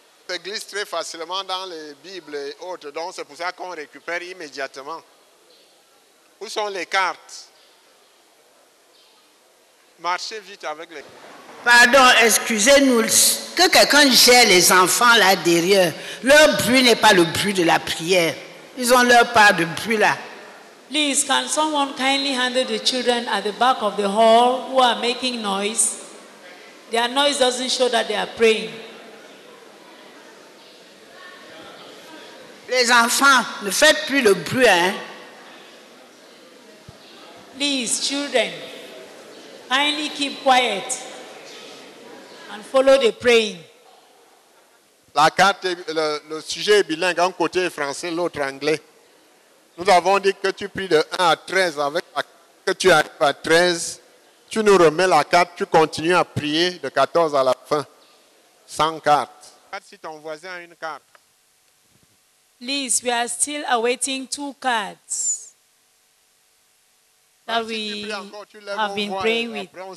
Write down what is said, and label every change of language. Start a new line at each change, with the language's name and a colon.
French: Ça glisse très facilement dans les Bibles et autres, donc c'est pour ça qu'on récupère immédiatement. Où sont les cartes? Marchez vite avec les cartes. Pardon, excusez-nous. Que quelqu'un gère les enfants là derrière. Leur bruit n'est pas le bruit de la prière. Ils ont leur part de bruit là.
English: Please, can someone kindly handle the children at the back of the hall who are making noise? Their noise doesn't show that they are praying.
French: Les enfants, ne faites plus le bruit, hein.
English: Please, children, kindly keep quiet and follow the praying.
French: La carte, le sujet est bilingue, un côté est français, l'autre anglais. Nous avons dit que tu pries de 1 à 13, avec la carte que tu arrives à 13, tu nous remets la carte, tu continues à prier de 14 à la fin, sans carte. Regarde si ton voisin a une carte.
English: Please, we are still awaiting two cards that we have been praying with.